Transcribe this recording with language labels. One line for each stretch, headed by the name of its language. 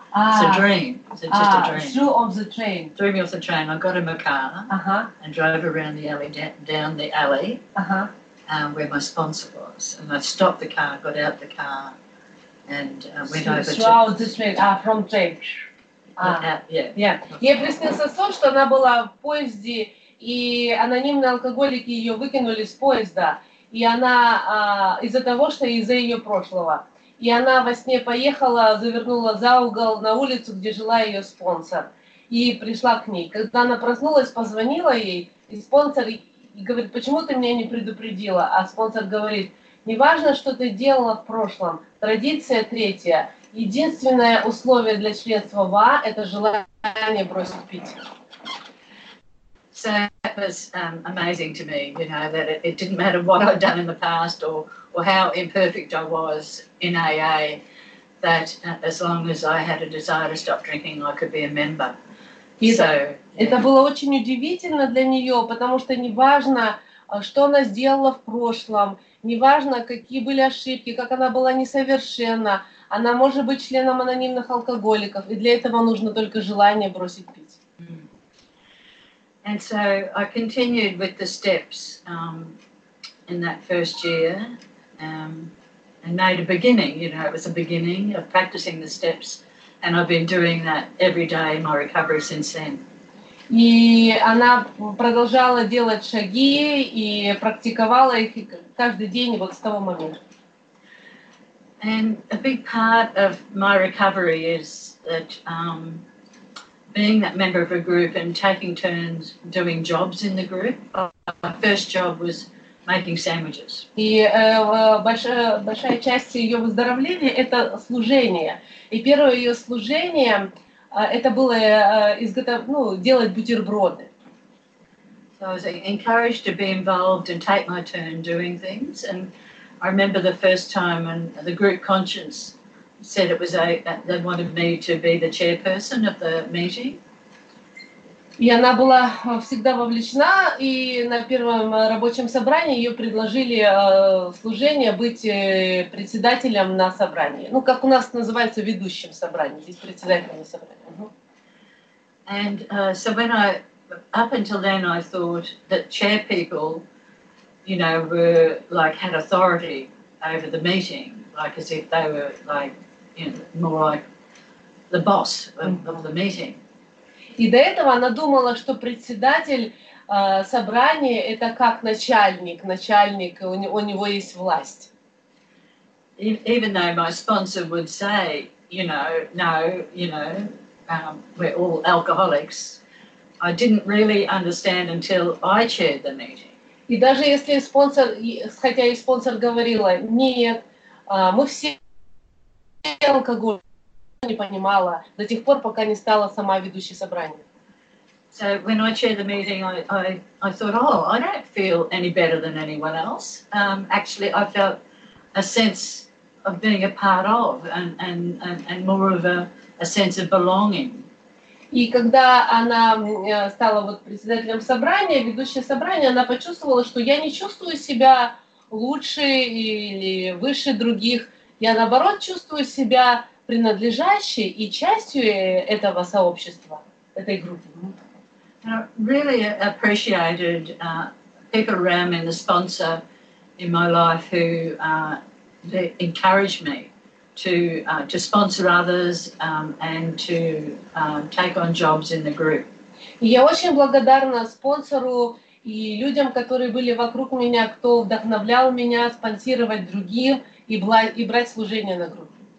English: It's a dream. It's just a dream. Threw off the train. Threw me off the train. I got in my car and drove around the alley, down the alley where my sponsor was. And I stopped the car, got out the car and went over to... Threw off the train, from train. Yeah.
Russian: Ей приснился сон, что она была в поезде, и анонимные алкоголики ее выкинули с поезда. И она из-за того, что из-за ее прошлого... И она во сне поехала, завернула за угол на улицу, где жила ее спонсор, и пришла к ней. Когда она проснулась, позвонила ей, и спонсор говорит, почему ты меня не предупредила? А спонсор говорит, неважно, что ты делала в прошлом, традиция третья. Единственное условие для членства ВА – это желание бросить пить.
English: So that was amazing to me, you know, that it didn't matter what I'd done in the past or how imperfect I was in AA, that as long as I had a desire to stop drinking, I could be a member.
Russian: Это было очень удивительно для нее, потому что неважно, что она сделала в прошлом, неважно, какие были ошибки, как она была несовершенна, она может быть членом анонимных алкоголиков, и для этого нужно только желание бросить пить.
English: And so I continued with the steps in that first year and made a beginning, you know, it was a beginning of practicing the steps and I've been doing that every day in my recovery since then.
Russian: И она продолжала делать шаги и практиковала их каждый день вот с того момента.
English: And a big part of my recovery is that... being that member of a group and taking turns doing jobs in the group. My first job was making sandwiches.
Russian: И большая часть ее выздоровления это служение. И первое ее служение это было делать бутерброды.
English: So I was encouraged to be involved and take my turn doing things. And I remember the first time when the group conscience said it was they wanted me to be the chairperson of the meeting.
Russian: И она была всегда вовлечена, и на первом рабочем собрании ее предложили служение быть председателем на собрании. Ну, как у нас называется, ведущим собрании, здесь председателем на собрании.
English: And so when I, up until then I thought that chair people, you know, were like, had authority over the meeting, like as if they were like, you know, more like the boss of the meeting.
Russian: И до этого она думала, что председатель собрания это как начальник, у него есть власть.
English: Even though my sponsor would say, you know, no, you know, we're all alcoholics, I didn't really understand until I chaired the meeting.
Russian: И даже если спонсор, хотя и спонсор говорила, нет, мы все алкоголь не понимала до тех пор, пока не стала сама ведущей собрания.
English: So when I chair the meeting, I thought, oh, I don't feel any better than anyone else. Actually, I felt a sense of being a part of and more of a sense of belonging.
Russian: И когда она стала вот председателем собрания, ведущей собрания, она почувствовала, что я не чувствую себя лучше или выше других. Я, наоборот, чувствую себя принадлежащей и частью этого сообщества, этой группы.
English: Really appreciated Pippa Ram and the sponsor in my life who encouraged me to sponsor others and to take on jobs in the group.
Russian: Я очень благодарна спонсору и людям, которые были вокруг меня, кто вдохновлял меня спонсировать других и брать служение на группе.